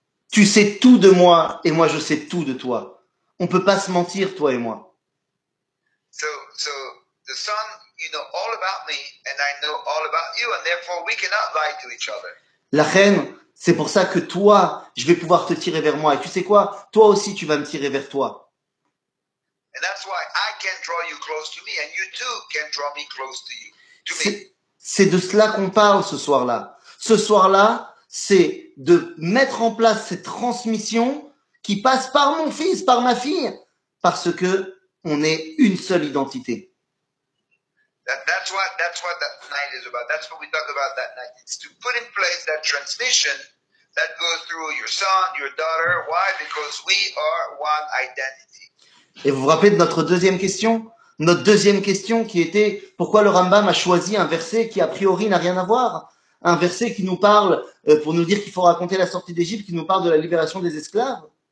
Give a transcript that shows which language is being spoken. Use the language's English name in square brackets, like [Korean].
[French] Tu sais tout de moi et moi je sais tout de toi. On peut pas se mentir, toi et moi. [English] So the son, you know all about me and I know all about you and therefore we cannot lie to each other. [French] La reine, c'est pour ça que toi, je vais pouvoir te tirer vers moi et tu sais quoi? Toi aussi tu vas me tirer vers toi. [English] And that's why I can draw you close to me and you too can draw me close to you. [French] C'est de cela qu'on parle ce soir-là. Ce soir-là, c'est de mettre en place cette transmission qui passe par mon fils, par ma fille parce que on est une seule identité. [English] That's what that night is about. That's what we talk about that night. It's to put in place that transmission that goes through your son, your daughter. Why? Because we are one identity. [French] Et vous vous rappelez de notre deuxième question? Notre deuxième question qui était pourquoi le Rambam a choisi un verset qui a priori n'a rien à voir? Un verset qui nous parle, pour nous dire qu'il faut raconter la sortie d'Égypte, qui nous parle de la libération des esclaves.